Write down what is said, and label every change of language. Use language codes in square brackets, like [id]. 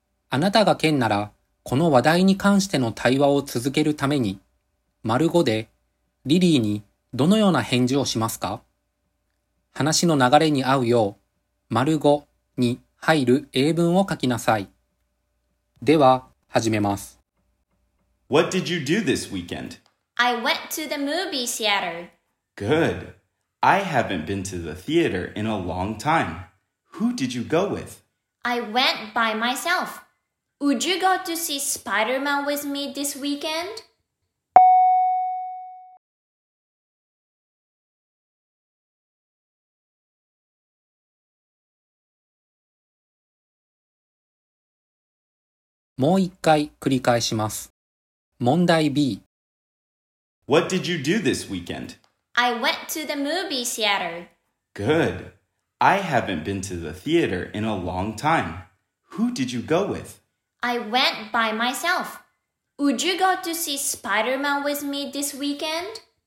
[ja] あなたがケンならこの話題に関しての対話を続けるために、丸五でリリーにどのような返事をしますか？話の流れに合うよう、丸五に入る英文を書きなさい。では、始めます。 [en] What did you do this weekend? I went to the movie theater. Good. I haven't been to the theater in a long time. Who did you go with? I went by myself. Would you go to see Spider-Man with me this weekend? [ja] もう一回繰り返します。問題 B。 [en] What did you do this weekend? I went to the movie theater. Good. I haven't been to the theater in a long time. Who did you go with? I went by myself. Would you go to see Spider-Man with me this weekend?